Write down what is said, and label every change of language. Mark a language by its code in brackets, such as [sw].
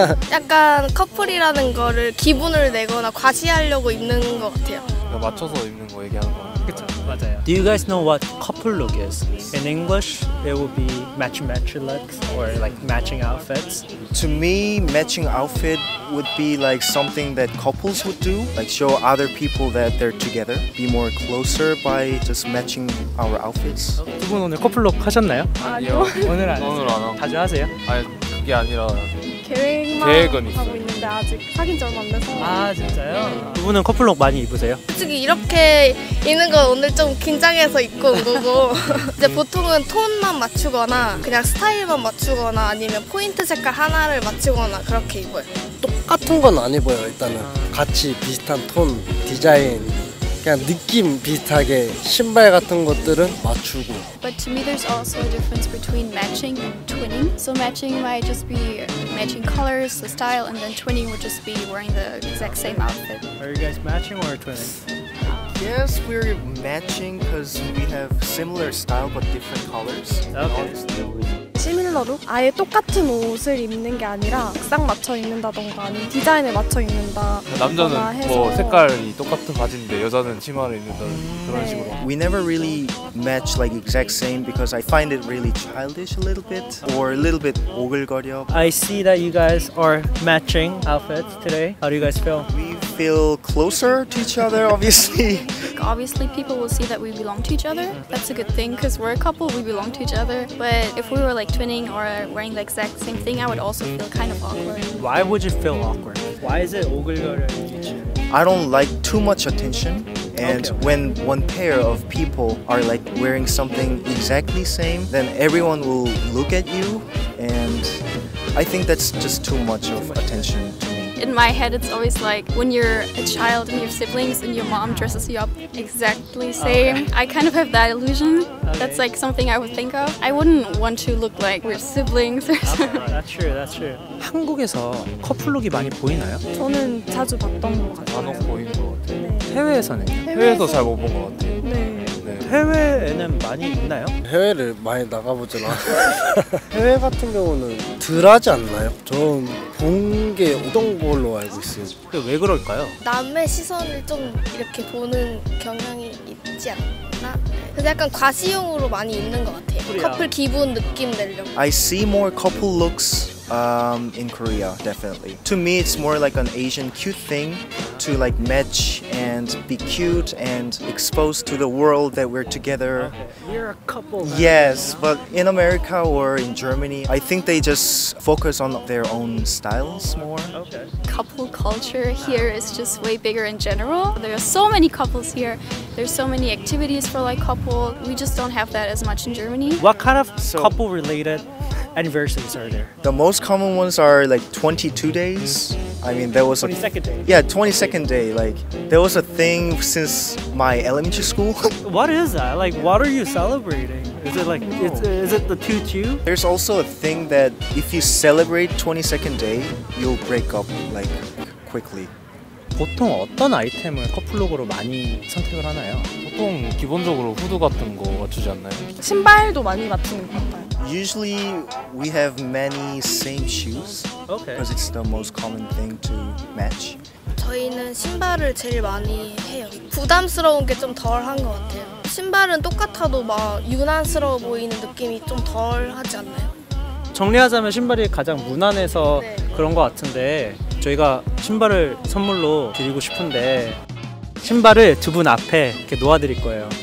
[ko] 약간 커플이라는 거를 기분을 내거나 과시하려고 입는 것 같아요. 맞춰서 입는 거 얘기하는 거. 그쵸, 맞아요. [en] Do you guys know what couple look is? In English, it would be match looks or like matching outfits. To me, matching outfit would be like something that couples would do, like show other people that they're together, be more closer by just matching our outfits. [ko] 두 분 오늘 couple look 하셨나요? 아니요. 오늘 안 하세요? 오늘 안 하고. 자주 하세요? 아니, 그게 아니라 계획은 있어요. 하고 있는데 아직 확인 좀 안 돼서. 아 진짜요? 두 분은 커플룩 많이 입으세요? 솔직히 이렇게 입는 건 오늘 좀 긴장해서 입고 온 거고 이제 보통은 톤만 맞추거나 그냥 스타일만 맞추거나 아니면 포인트 색깔 하나를 맞추거나 그렇게 입어요. 똑같은 건 안 입어요. 일단은 같이 비슷한 톤, 디자인 그냥 느낌 비슷하게 신발 같은 것들은 맞추고. [en] But to me, there's also a difference between matching and twinning. So matching might just be matching colors, the style, and then twinning would just be wearing the exact same outfit. Are you guys matching or twinning? Yes, we're matching because we have similar style but different colors. Okay. [ko] 시밀러룩? 아예 똑같은 옷을 입는 게 아니라 색상 맞춰 입는다던가 아니면 디자인을 맞춰 입는다. 남자는 뭐 색깔이 똑같은 바지인데 여자는 치마를 입는다는 그런 식으로. [en] We never really match like exact same because I find it really childish a little bit or a little bit [ko] 오글거려. [en] I see that you guys are matching outfits today. How do you guys feel? We feel closer to each other, obviously. Obviously, people will see that we belong to each other. That's a good thing because we're a couple, we belong to each other. But if we were like twinning or wearing the exact same thing, I would also feel kind of awkward. Why would you feel awkward? Why is it [ko] 오글거려? [en] I don't like too much attention. And okay. When one pair of people are like wearing something exactly same, then everyone will look at you. And I think that's just too much of attention. In my head, it's always like when you're a child and your siblings and your mom dresses you up exactly same. Okay. I kind of have that illusion. Okay. That's like something I would think of. I wouldn't want to look like we're siblings. That's true. [ko] 한국에서 커플룩이 많이 보이나요? 저는 자주 봤던 것 같아요. 간혹 보이는 것 같아요. 네. 해외에서는? 해외에서 잘 못 본 것 같아요. 네. 해외에는 많이 있나요? 해외를 많이 나가보진 않아요. 해외 같은 경우는 덜 하지 않나요? 전 본 게 어떤 걸로 알고 있어요. 왜 그럴까요? 남의 시선을 좀 이렇게 보는 경향이 있지 않나? 그래서 약간 과시용으로 많이 입는 것 같아요. 코리아. 커플 기분 느낌 내려고. [en] I see more couple looks in Korea, definitely. To me, it's more like an Asian cute thing to like match and be cute and expose to the world that we're together. Okay. We're a couple. Yes, now. But in America or in Germany, I think they just focus on their own styles more. Okay. Couple culture here is just way bigger in general. There are so many couples here. There's so many activities for like couple. We just don't have that as much in Germany. What kind of couple related? Anniversaries are there? The most common ones are like 22 days. Mm-hmm. I mean, there was 22nd day. Yeah, 22nd day. Like, there was a thing since my elementary school. What is that? Like, what are you celebrating? Is it like, is it the 2-2? There's also a thing that if you celebrate 22nd day, you'll break up like quickly. [ko] 보통 어떤 아이템을 커플룩으로 많이 선택을 하나요? 보통 기본적으로 후드 같은 거 맞추지 않나요? 신발도 많이 맞추는 것 같아요. [en] Usually, we have many same shoes because okay. It's the most common thing to match. [ko] 저희는 신발을 제일 많이 해요. 부담스러운 게 좀 덜한 것 같아요. 신발은 똑같아도 막 유난스러워 보이는 느낌이 좀 덜하지 않나요? 정리하자면 신발이 가장 무난해서 네. 그런 것 같은데 저희가 신발을 선물로 드리고 싶은데 신발을 두 분 앞에 이렇게 놓아드릴 거예요.